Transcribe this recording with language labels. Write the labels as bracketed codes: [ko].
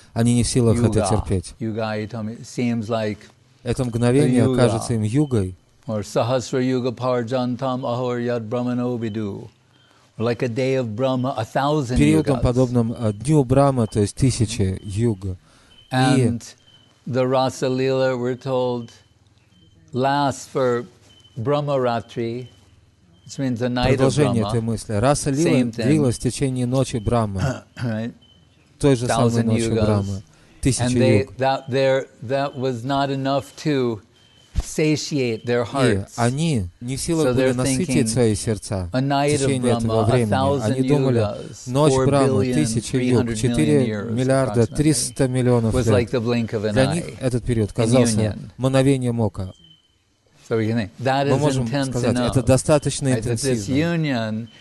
[ru] Они не в силах это терпеть. Это мгновение кажется им югой. [sa] Or sahasra yuga parjantam ahor yad brahmano vidu. [en] Like a day of Brahma, a thousand yugas. [ru] Периодом, подобным дню Брахмы, то есть тысячи юга. [en] And the Rasa Lila, we're told, lasts for Brahma Ratri, which means the night of Brahma. [ru] Продолжение этой мысли. Rasa Lila длилась в течение ночи Брахмы. [en] Right? [ru] Той же самой ночи Брахмы. Тысячи юг. [en] And they, that was not enough to satiate their hearts. [ru] И они не в силах были насытить свои сердца в течение этого времени. Они думали, ночь Брахмы, тысяча юг, 4 миллиарда 300 миллионов лет. Для них этот период казался мгновением ока. Мы можем сказать, это достаточно интенсивно.